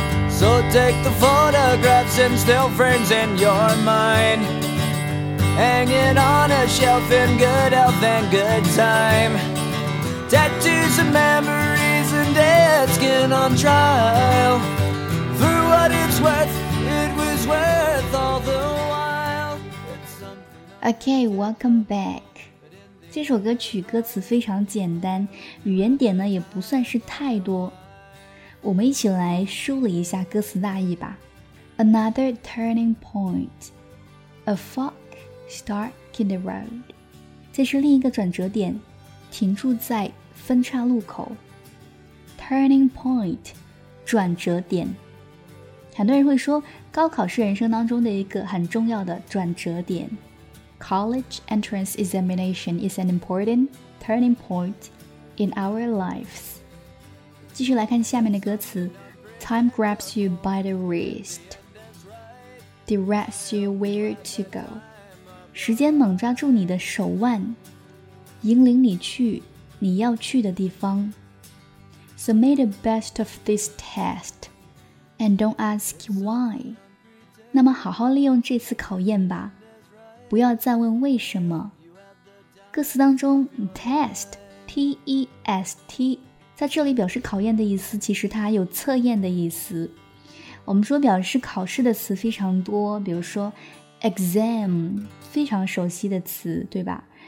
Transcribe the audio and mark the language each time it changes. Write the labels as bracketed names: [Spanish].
[English] So take the photographs and still frames in your mind, hanging on a shelf in good health and good time. Tattoos and memories and dead skin on trial, for what it's worth, it was worth all the while. Okay, welcome back. [Chinese] 这首歌曲歌词非常简单，语言点呢也不算是太多，我们一起来梳理一下歌词大意吧。 [English] Another turning point, a fork stuck in the road, [Chinese] 这是另一个转折点，停住在分叉路口。 [English] Turning point, [Chinese] 转折点，很多人会说高考是人生当中的一个很重要的转折点。 [English] College entrance examination is an important turning point in our lives. [Chinese] 继续来看下面的歌词。 [English] Time grabs you by the wrist, directs you where to go, [Chinese] 时间猛抓住你的手腕，引领你去你要去的地方。 [English] So make the best of this test and don't ask why, [Chinese] 那么好好利用这次考验吧，不要再问为什么。歌词当中 test, T-E-S-T,在这里表示考验的意思，其实它有测验的意思。我们说表示考试的词非常多，比如说 exam, 非常熟悉的词，对吧？